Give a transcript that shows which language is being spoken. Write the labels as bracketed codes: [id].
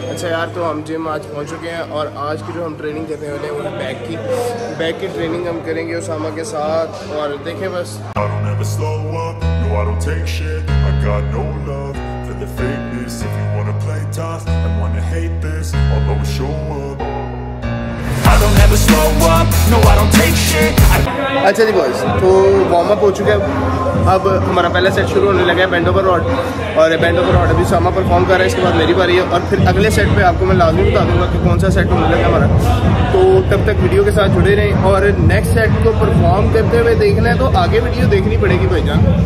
[hi] अच्छा यार तो हम जिम आज पहुंच चुके हैं और आज की जो हम ट्रेनिंग करने वाले हैं वो है बैक की ट्रेनिंग हम करेंगे उसामा के साथ और देखें बस. [en] I don't ever slow up, no I don't take shit. I got no love for the fakeness. If you wanna play tough and wanna hate this, I'll always show up. [hi] अच्छा जी boys तो warm up हो चुका है अब हमारा पहला set शुरू होने लगा है बैंड ओवर रॉड और बैंड ओवर रॉड अभी सामा परफॉर्म कर रहा है इसके बाद मेरी बारी है और फिर अगले सेट पे आपको मैं लाजमी बता दूंगा कि कौन सा सेट होने लगा हमारा तो तब तक वीडियो के साथ जुड़े रहें और नेक्स्ट सेट को परफॉर्म करते हुए देखना है तो आगे वीडियो देखनी पड़ेगी भाई जान.